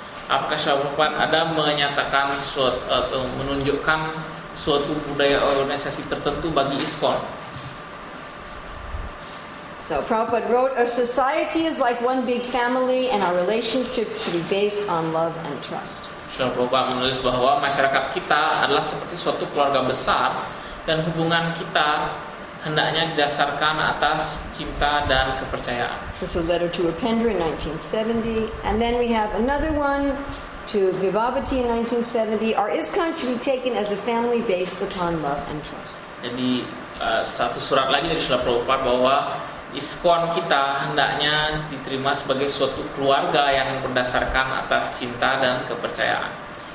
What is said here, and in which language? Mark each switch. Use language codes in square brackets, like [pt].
[id] Apakah Srila Prabhupada ada menyatakan suatu, atau menunjukkan suatu budaya organisasi tertentu bagi ISKCON? [en] So Prabhupada wrote, our society is like one big family and our relationship should be based on love and trust. [id] Srila Prabhupada menulis bahwa masyarakat kita adalah seperti suatu keluarga besar dan hubungan kita hendaknya didasarkan atas cinta dan kepercayaan. [en] This is a letter to Upendra in 1970. And then we have another one to Vibhavati in 1970. Our ISKCON should be taken as a family based upon love and trust. [id] Jadi satu surat lagi dari Srila Prabhupada bahwa ISKCON kita hendaknya diterima sebagai suatu keluarga yang berdasarkan atas cinta dan kepercayaan.